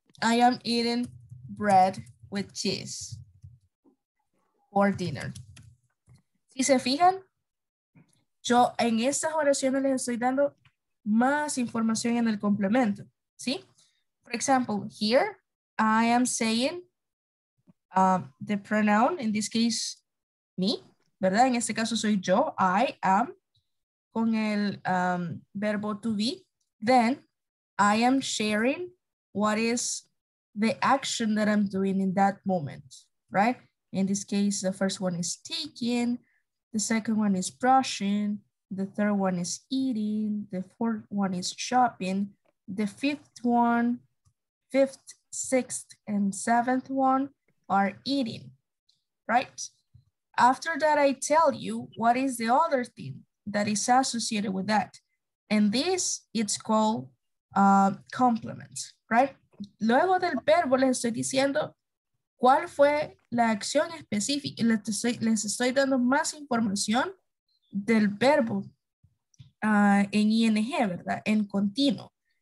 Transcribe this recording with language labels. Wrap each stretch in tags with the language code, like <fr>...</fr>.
<en>I am eating bread with cheese for dinner.</en> <es>Si se fijan, yo en estas oraciones les estoy dando más información en el complemento, ¿sí?</es> <en>For example, here, I am saying the pronoun, in this case, me,</en> <es>¿verdad? En este caso soy yo,</es> <en>I am,</en> <es>con el verbo</es> <en>to be, then I am sharing what is the action that I'm doing in that moment, right? In this case, the first one is taking, the second one is brushing, the third one is eating, the fourth one is shopping, the fifth, sixth, and seventh one are eating, right? After that, I tell you what is the other thing that is associated with that. And this, it's called complement, right?</en> <es>Luego del verbo les estoy diciendo cuál fue la acción específica. Les estoy dando más información del verbo en ing, ¿verdad? En continuo.</es>